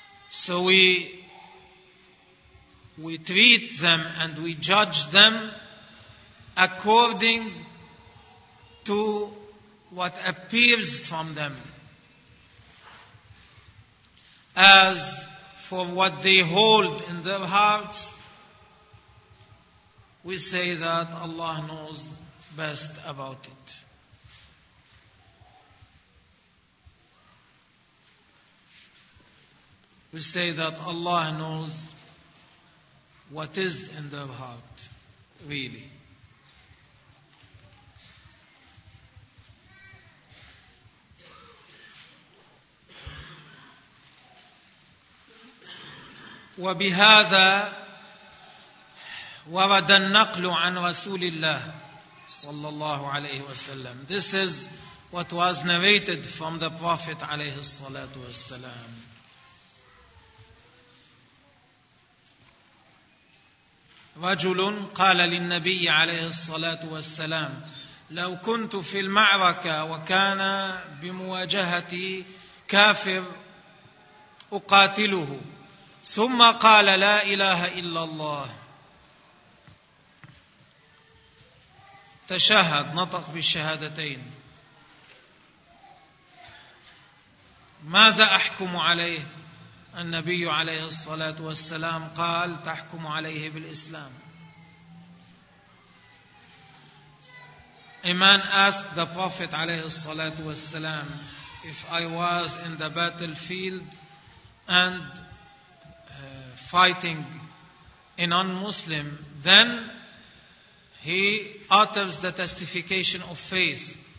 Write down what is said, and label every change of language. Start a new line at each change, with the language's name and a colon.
English: So we treat them and we judge them according to what appears from them. As for what they hold in their hearts, we say that Allah knows best about it. We say that Allah knows what is in their heart, really.
Arabic: وبهذا ورد النقل عن رسول الله صلى الله عليه وسلم.
English: This is what was narrated from the Prophet
Arabic: عليه الصلاة والسلام. رجل قال للنبي عليه الصلاة والسلام لو كنت في المعركة وكان بمواجهتي كافر أقاتله ثم قال لا إله إلا الله تشهد نطق بالشهادتين ماذا أحكم عليه؟ النبي عليه الصلاة والسلام قال تحكم عليه بالإسلام.
English: A man asked the Prophet
Arabic: عليه الصلاة والسلام,
English: if I was in the battlefield and fighting a non-Muslim, then he utters the testification of faith.